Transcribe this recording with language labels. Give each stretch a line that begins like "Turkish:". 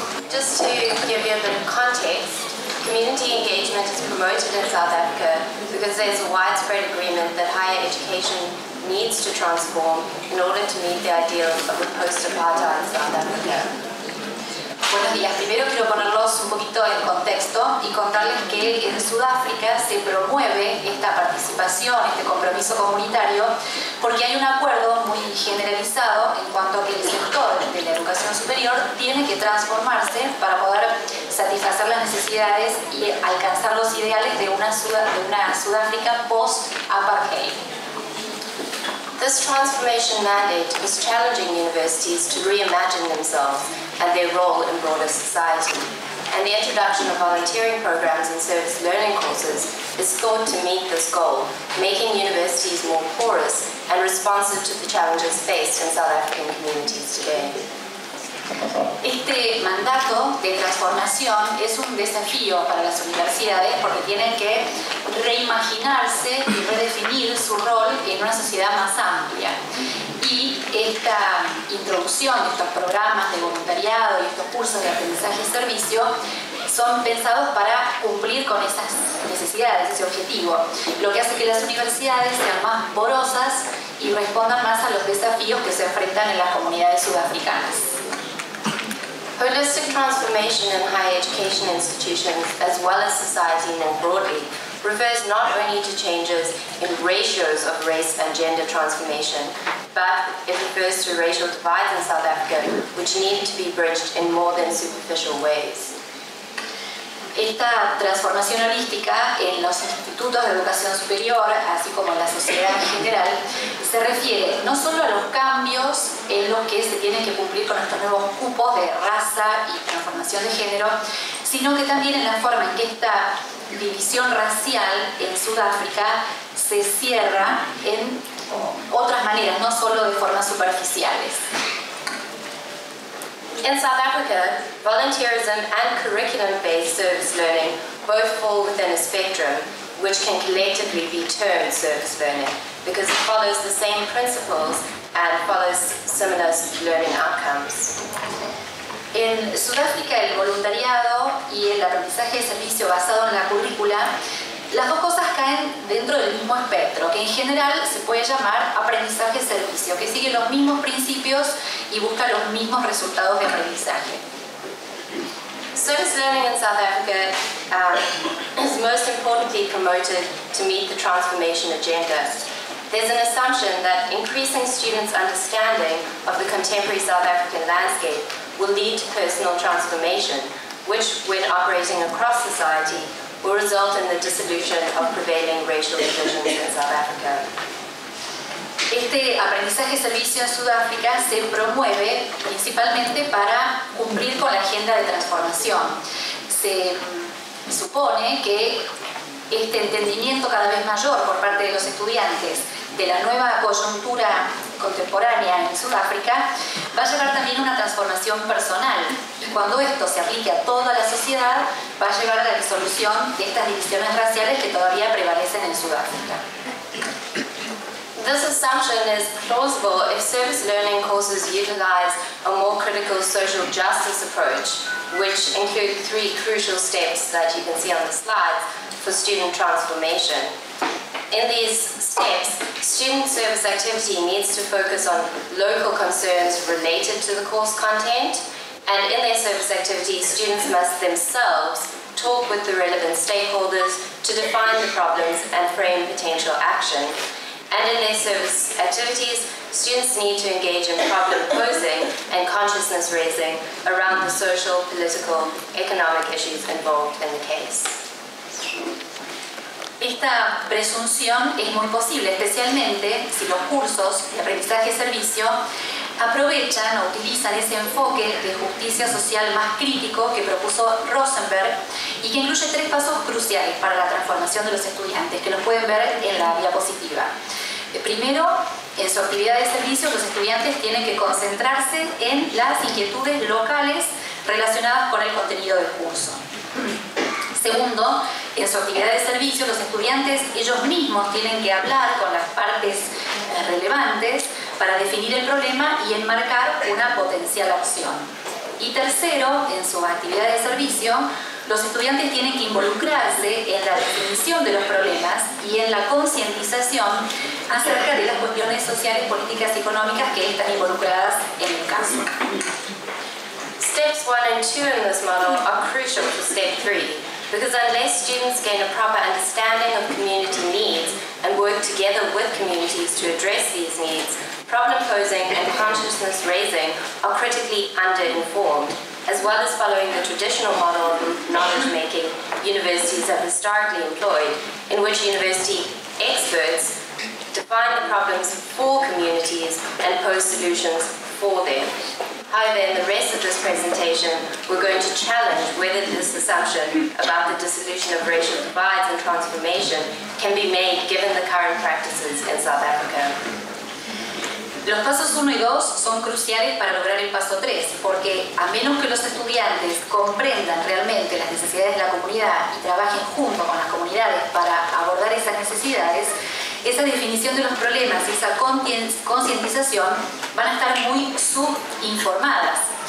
English: Just to give you a bit of context, community engagement is promoted in South Africa because there's a widespread agreement that higher education needs to transform in order to meet the ideals of a post-apartheid South Africa.
Spanish: Buenos días. Primero quiero ponerlos un poquito en contexto y contarles que en Sudáfrica se promueve esta participación, este compromiso comunitario, porque hay un acuerdo muy generalizado en cuanto a que el sector de la educación superior tiene que transformarse para poder satisfacer las necesidades y alcanzar los ideales de una Sudáfrica post-apartheid.
English: This transformation mandate is challenging universities to reimagine themselves and their role in broader society. And the introduction of volunteering programs and service learning courses is thought to meet this goal, making universities more porous and responsive to the challenges faced in South African communities today.
Spanish: Este mandato de transformación es un desafío para las universidades porque tienen que reimaginarse y redefinir su rol en una sociedad más amplia. Y esta introducción, estos programas de voluntariado y estos cursos de aprendizaje y servicio son pensados para cumplir con esas necesidades, ese objetivo, lo que hace que las universidades sean más porosas y respondan más a los desafíos que se enfrentan en las comunidades sudafricanas.
English: Holistic transformation in higher education institutions, as well as society more broadly, refers not only to changes in ratios of race and gender transformation, but it refers to racial divides in South Africa, which need to be bridged in more than superficial ways.
Spanish: Esta transformación holística en los institutos de educación superior, así como en la sociedad en general, se refiere no solo a los cambios en los que se tienen que cumplir con estos nuevos cupos de raza y transformación de género, sino que también en la forma en que esta división racial en Sudáfrica se cierra en otras maneras, no solo de formas superficiales.
English: In South Africa, volunteerism and curriculum-based service learning both fall within a spectrum, which can collectively be termed service learning, because it follows the same principles and follows similar learning outcomes.
Spanish: En Sudáfrica, el voluntariado y el aprendizaje de servicio basado en la currícula, las dos cosas caen dentro del mismo espectro, que en general se puede llamar aprendizaje-servicio, que sigue los mismos principios y busca los mismos resultados de aprendizaje.
English: Service learning in South Africa is most importantly promoted to meet the transformation agenda. There's an assumption that increasing students' understanding of the contemporary South African landscape will lead to personal transformation, which, when operating across society, will result in the dissolution of prevailing racial divisions in South Africa.
Spanish: Este aprendizaje servicio en Sudáfrica se promueve principalmente para cumplir con la agenda de transformación. Se supone que este entendimiento cada vez mayor por parte de los estudiantes de la nueva coyuntura contemporánea en Sudáfrica va a llevar también una transformación personal, y cuando esto se aplique a toda la sociedad va a llevar a la disolución de estas divisiones raciales que todavía prevalecen en Sudáfrica.
English: This assumption is plausible if service learning courses utilize a more critical social justice approach, which include three crucial steps that you can see on the slides for student transformation. In these steps, student service activity needs to focus on local concerns related to the course content, and in their service activity, students must themselves talk with the relevant stakeholders to define the problems and frame potential action. And in their service activities, students need to engage in problem posing and consciousness raising around the social, political, economic issues involved in the case.
Spanish: Esta presunción es muy posible, especialmente si los cursos de aprendizaje y servicio aprovechan o utilizan ese enfoque de justicia social más crítico que propuso Rosenberg y que incluye tres pasos cruciales para la transformación de los estudiantes, que los pueden ver en la diapositiva. Primero, en su actividad de servicio, los estudiantes tienen que concentrarse en las inquietudes locales relacionadas con el contenido del curso. Segundo, en su actividad de servicio, los estudiantes ellos mismos tienen que hablar con las partes relevantes para definir el problema y enmarcar una potencial acción. Y tercero, en su actividad de servicio, los estudiantes tienen que involucrarse en la definición de los problemas y en la concientización acerca de las cuestiones sociales, políticas y económicas que están involucradas en el caso.
English: Steps 1 and 2 in this model are crucial for step 3, because unless students gain a proper understanding of community needs and work together with communities to address these needs, problem posing and consciousness raising are critically underinformed, as well as following the traditional model of knowledge making universities have historically employed, in which university experts define the problems for communities and pose solutions for them. However, in the rest of this presentation, we're going to challenge whether this assumption about the dissolution of racial divides and transformation can be made given the current practices in South Africa.
Spanish: Los pasos 1 y 2 son cruciales para lograr el paso 3, porque a menos que los estudiantes comprendan realmente las necesidades de la comunidad y trabajen junto con las comunidades para abordar esas necesidades, esa definición de los problemas y esa concientización van a estar muy subinformadas.